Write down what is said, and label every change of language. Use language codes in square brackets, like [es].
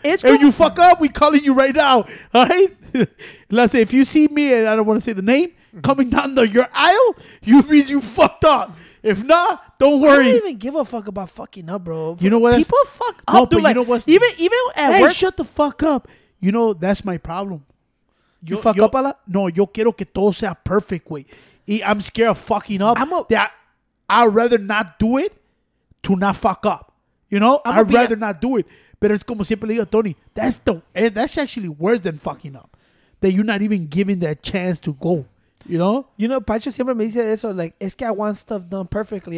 [en] If you fuck up, we calling you right now. All right? Let's say if you see me, and I don't want to say the name, coming down the your aisle, you mean you fucked up. If not, don't worry. I don't even give a fuck about fucking up, bro. You know what? People fuck up. No, dude, like, you know what's even at work. Shut the fuck up. You know, that's my problem. You fuck up a lot? [es] No, yo quiero que todo sea perfect, güey. [en] I'm scared of fucking up. I'd rather not do it to not fuck up. You know, I'd rather not do it. But it's [es] como siempre le digo, [en] Tony, that's actually worse than fucking up. That you're not even giving that chance to go. You know? You know, Pacho [es] siempre me dice eso, [en] like, [es] es que [en] I want stuff done perfectly.